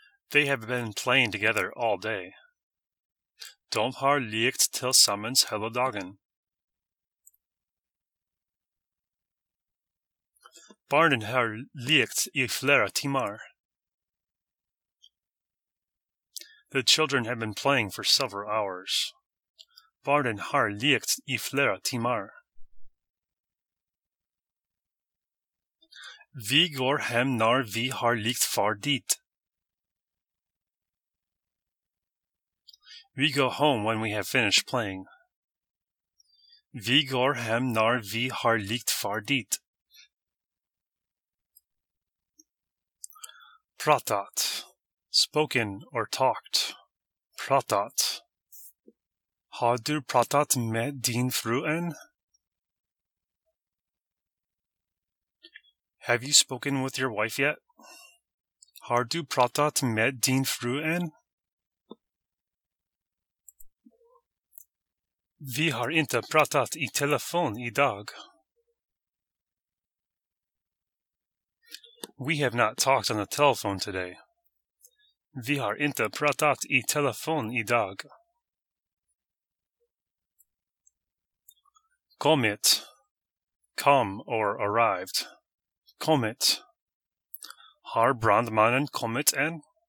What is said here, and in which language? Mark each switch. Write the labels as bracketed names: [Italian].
[English] They have been playing together all day. [Swedish] De har lekt tillsammans hela dagen. Barnen har lekt i flera timmar. [English] The children have been playing for several hours. [Swedish] Barnen har lekt i flera timmar. Vi går hem när vi har lekt färdigt. [English] We go home when we have finished playing. [Swedish] Vi går hem när vi har lekt färdigt. Pratat. [English] Spoken or talked. Pratat. [Swedish] Har du pratat med din fru än? [English] Have you spoken with your wife yet? [Swedish] Har du pratat med din fru än? Vi har inte pratat i telefon idag. [English] We have not talked on the telephone today. [Swedish] Vi har inte pratat i telefon idag. Kommit. [English] Come or arrived. Kommit. [Swedish] Har brandmannen kommit än?